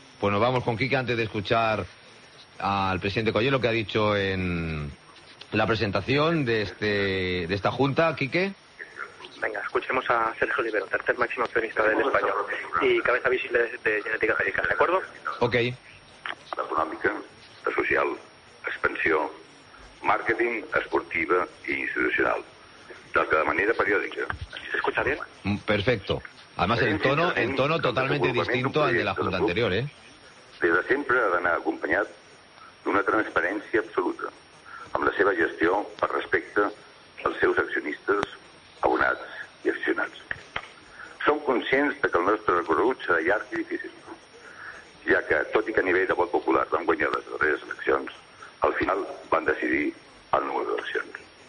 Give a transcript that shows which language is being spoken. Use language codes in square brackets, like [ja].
[es] Bueno, vamos con Quique antes de escuchar al presidente Collé, lo que ha dicho en la presentación de esta junta. Quique. Venga, escuchemos a Sergio Olivero, tercer máximo accionista del Español y cabeza visible de Genética Genética, ¿de acuerdo? Ok. [ca] Econòmica, social, expansió, marketing, esportiva i institucional. De manera periòdica. [es] ¿Se escucha bien? Perfecto. Además, el tono totalmente distinto al de la junta anterior, [ca] Des de sempre ha d'anar acompanyat d'una transparència absoluta amb la seva gestió per respecte als seus accionistes abonats i accionats. Som conscients que el nostre recorregut serà llarg i difícil, ja que, tot i que a nivell de vot popular van guanyar les darreres eleccions, al final van decidir el número d'eleccions.